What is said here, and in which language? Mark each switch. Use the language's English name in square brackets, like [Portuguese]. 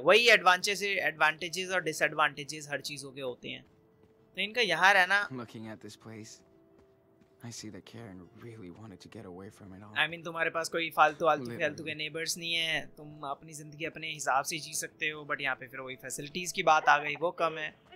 [Hindi] वही एडवांटेजेस और डिसएडवांटेजेस हर चीजों के होते हैं. तो इनका यहाँ रहना. [English] Looking at this place, I see that Karen really wanted to get away from it all. I mean, [Hindi] तुम्हारे पास कोई फालतू के नेबर्स नहीं है. तुम अपनी जिंदगी अपने हिसाब से जी सकते हो. बट यहाँ पे फिर वही फैसिलिटीज की बात आ गई. वो कम है.